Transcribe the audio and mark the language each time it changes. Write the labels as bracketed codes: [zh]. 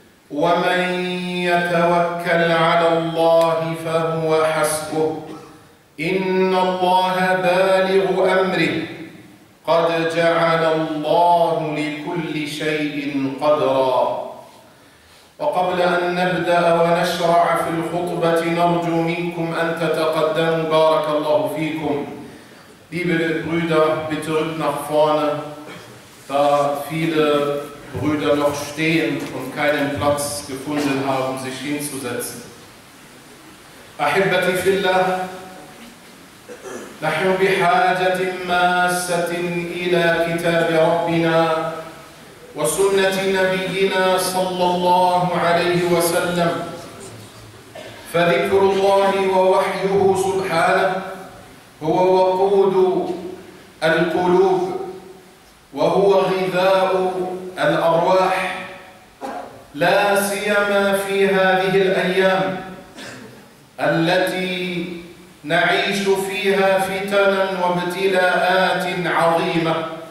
[ar] ومن يتوكل على الله فهو حسبه، إن الله بالغ أمره، قد جعل الله لكل شيء قدرا. وقبل أن نبدأ ونشرع في الخطبة، نرجو منكم أن تتقدموا بارك الله فيكم. [de] Liebe Brüder, bitte rückt nach vorne, da viele Brüder noch stehen und keinen Platz gefunden haben, sich hinzusetzen. [ar] أحبتي في الله، نحن بحاجة ماسة إلى كتاب ربنا وسنة نبينا صلى الله عليه وسلم، فذكر الله ووحيه سبحانه هو وقود القلوب وهو غذاء الأرواح، لا سيما في هذه الأيام التي نعيش فيها فتنا وابتلاءات عظيمة.